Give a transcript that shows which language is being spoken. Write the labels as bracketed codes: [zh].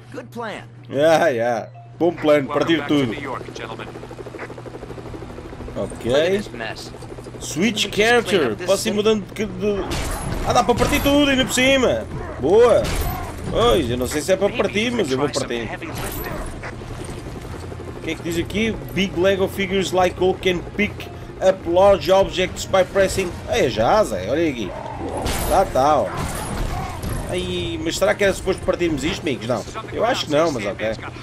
[en] Good plan. Yeah, yeah. [pt] Bom plano, partir tudo. Ok. [en] Switch character. [pt] Posso ir mudando de... Ah, dá para partir tudo ainda por cima. Boa. Pois, eu não sei se é para partir, mas eu vou partir. O que é que diz aqui? [en] Big Lego figures like Hulk can pick up large objects by pressing... [pt] Ah, é já, Zé. Olha aqui. Tá, tá. Ó. Aí, mas será que era suposto partirmos isto, amigos? Não. Eu acho que não, mas ok.